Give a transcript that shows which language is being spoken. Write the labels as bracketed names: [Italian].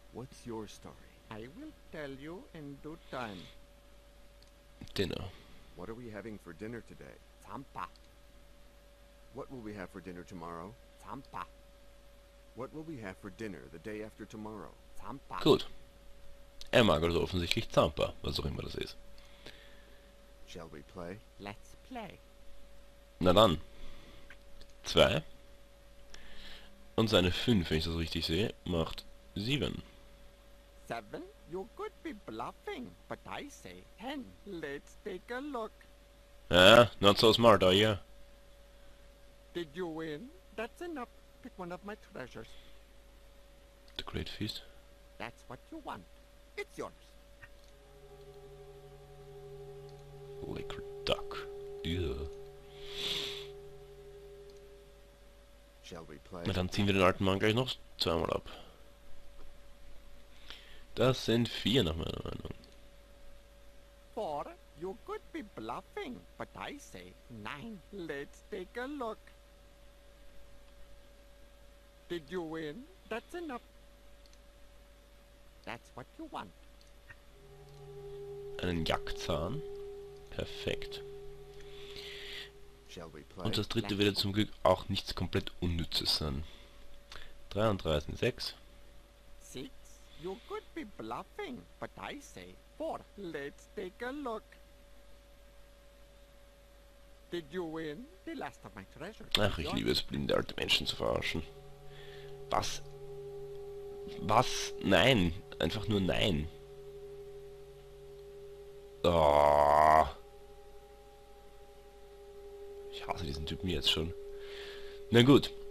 [English] What's your story? I will tell you in due time. Dinner. What are we having for dinner today? Zampa. What will we have for dinner tomorrow? Zampa. What will we have for dinner the day after tomorrow? Zampa. [German] Gut. Er mag also offensichtlich Zampa, was auch immer das ist. [English] Shall we play? Let's play. [German] Na dann. Zwei. Und seine fünf, wenn ich das richtig sehe, macht sieben. [English] Seven? You could be bluffing, but I say ten. Let's take a look. Ah, not so smart, are you? Did you win? That's enough. Pick one of my treasures. The Great Feast? That's what you want. It's yours. Liquid duck. Ew. Shall we play? [German] Na dann ziehen wir den alten Mann gleich noch zweimal ab. Das sind vier nach meiner Meinung. [English] Four? You could be bluffing, but I say nine. Let's take a look. Did you win? That's enough. That's what you want. [German] Einen Jagdzahn. Perfekt. Und das dritte wird zum Glück auch nichts komplett Unnützes sein. 33, 6. [English] You could be bluffing, but I say 4. Let's take a look. Did you win the last of my treasures? [German] Ach, ich liebe es, blinde alte Menschen zu verarschen. Was? Was? Nein. Einfach nur nein. Oh. Ich hasse diesen Typen jetzt schon. Na gut.